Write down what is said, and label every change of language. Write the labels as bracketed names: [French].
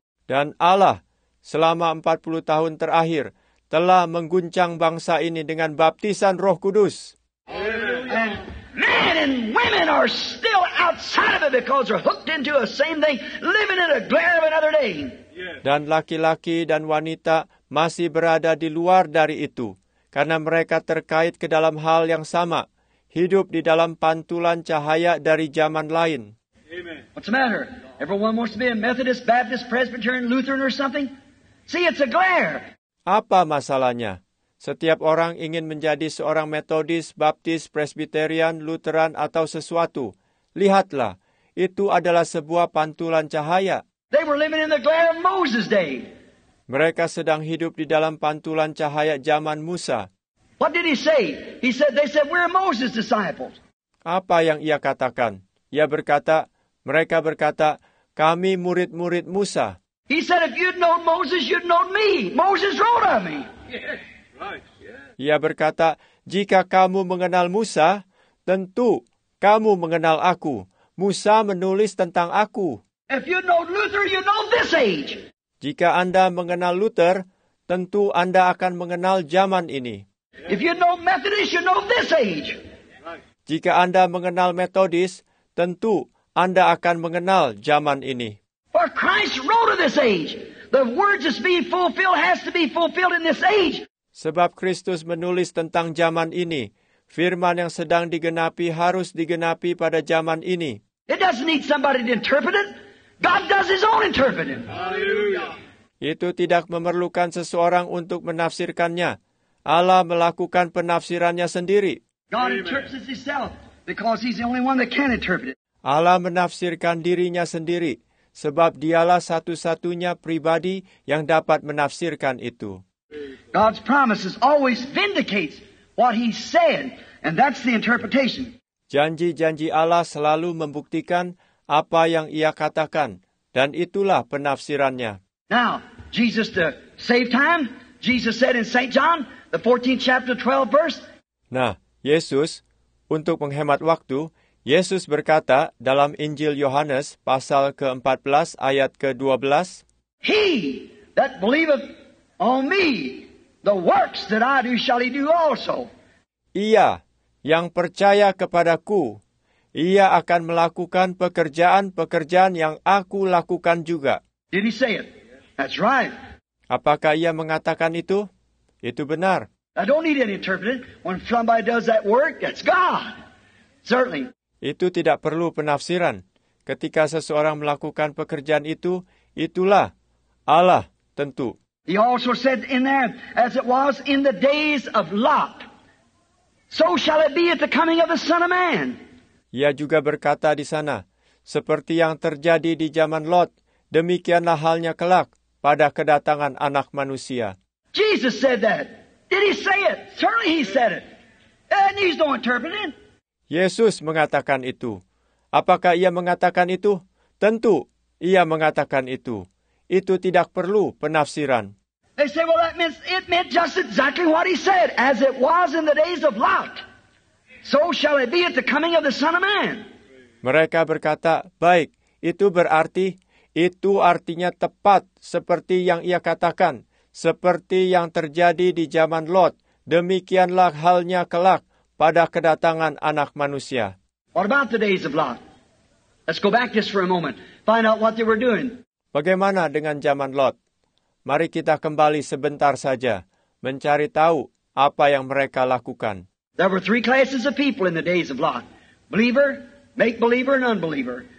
[Indonesian] Dan Allah selama 40 tahun terakhir telah mengguncang bangsa ini dengan baptisan Roh Kudus. [English] And men and women are still outside of it because they're hooked into the same thing, living in the glare of another day. [Indonesian] Dan laki-laki dan wanita masih berada di luar dari itu, karena mereka terkait ke dalam hal yang sama, hidup di dalam pantulan cahaya dari zaman lain. [English] Amen. What's the matter? Everyone wants to be a Methodist, Baptist, Presbyterian, Lutheran or something? See, it's a glare. [Indonesian] Apa masalahnya? Setiap orang ingin menjadi seorang Methodist, Baptist, Presbyterian, Lutheran atau sesuatu. Lihatlah, itu adalah sebuah pantulan cahaya. [English] They were living in the glare of Moses' day. [Indonesian] Mereka sedang hidup di dalam pantulan cahaya zaman Musa. [English] What did he say? They said we're Moses' disciples. [Indonesian] Apa yang ia katakan? Ia berkata, mereka berkata, kami murid-murid Musa. [English] He said if you'd known Moses, you'd known me. Moses wrote on me. [Indonesian] Ia berkata, jika kamu mengenal Musa, tentu kamu mengenal aku. Musa menulis tentang aku. [English] If you know Luther, you know this age. [Indonesian] Jika Anda mengenal Luther, tentu Anda akan mengenal zaman ini. [English] If you know Methodist, you know this age. [Indonesian] Jika Anda mengenal Methodist, tentu Anda akan mengenal zaman ini. [English] For Christ wrote of this age. The words that's being fulfilled has to be fulfilled in this age. [Indonesian] Sebab Kristus menulis tentang zaman ini, firman yang sedang digenapi harus digenapi pada zaman ini. [English] It doesn't need somebody to interpret it. God does his own interpreting. Hallelujah. [Indonesian] Itu tidak memerlukan seseorang untuk menafsirkannya. Allah melakukan penafsirannya sendiri. [English] God interprets himself because he's the only one that can interpret it. [Indonesian] Allah menafsirkan dirinya sendiri sebab dialah satu-satunya pribadi yang dapat menafsirkan itu. [English] God's promises always vindicates what he said, and that's the interpretation. [Indonesian] Janji-janji Allah selalu membuktikan apa yang ia katakan, dan itulah penafsirannya. [English] Now, Jesus to save time, Jesus said in St. John, the 14th chapter, 12th verse. [Indonesian] Nah, Yesus, untuk menghemat waktu, Yesus berkata dalam Injil Yohanes, pasal ke-14, ayat ke-12. [English] He that believeth on me, the works that I do shall he do also. [Indonesian] Ia yang percaya kepadaku, ia akan melakukan pekerjaan-pekerjaan yang aku lakukan juga. [English] Did he say it? That's right. [Indonesian] Apakah ia mengatakan itu? Itu benar. [English] I don't need any interpreter. When somebody does that work, that's God. Certainly. [Indonesian] Itu tidak perlu penafsiran. Ketika seseorang melakukan pekerjaan itu, itulah Allah tentu. [English] He also said in there, as it was in the days of Lot, so shall it be at the coming of the Son of Man. [Indonesian] Ia juga berkata di sana, seperti yang terjadi di zaman Lot, demikianlah halnya kelak pada kedatangan Anak Manusia. [English] Jesus said that. Did he say it? Certainly he said it. And he's no interpreter. [Indonesian] Yesus mengatakan itu. Apakah ia mengatakan itu? Tentu ia mengatakan itu. Itu tidak perlu penafsiran. [English] They say, well, that means it meant just exactly what he said, as it was in the days of Lot. So shall it be at the coming of the Son of Man. [Indonesian] Mereka berkata, baik, itu berarti, itu artinya tepat seperti yang ia katakan, seperti yang terjadi di zaman Lot, demikianlah halnya kelak pada kedatangan Anak Manusia. [English] What about the days of Lot? Let's go back just for a moment, find out what they were doing. [Indonesian] Bagaimana dengan zaman Lot? Mari kita kembali sebentar saja, mencari tahu apa yang mereka lakukan. [English] There were three classes of people in the days of Lot. Believer, make-believer, and unbeliever.